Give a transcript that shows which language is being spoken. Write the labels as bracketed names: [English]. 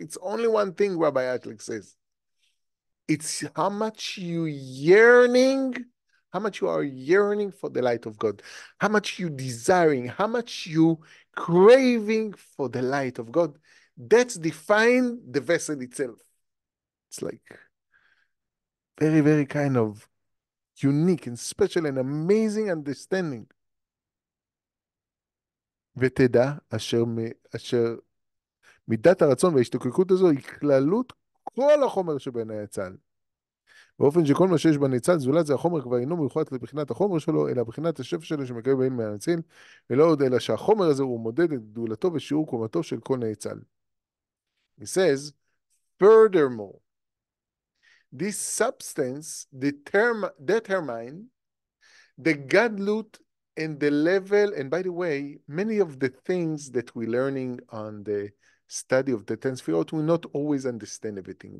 [English] It's only one thing, Rabbi Atlik says. It's how much you yearning, how much you are yearning for the light of God, how much you desiring, how much you craving for the light of God. That's defined the vessel itself. It's like very, very kind of unique and special and amazing understanding. [Hebrew] ותדע אשר מידת הרצון וההשתוקקות הזו היא כללות כל החומר שבין היצל. באופן שכל מה שיש בניצל זולת זה החומר כבר אינו מיוחד לבחינת החומר שלו, אלא בחינת השפע שלו שמקבל בין מהניצל, ולא עוד אלא שהחומר הזה הוא מודד את גדולתו ושיעור קומתו של כל ניצל. [English] He says, furthermore, this substance determine the godlut and the level, and by the way, many of the things that we're learning on the study of the Ten Sefirot, we not always understand everything.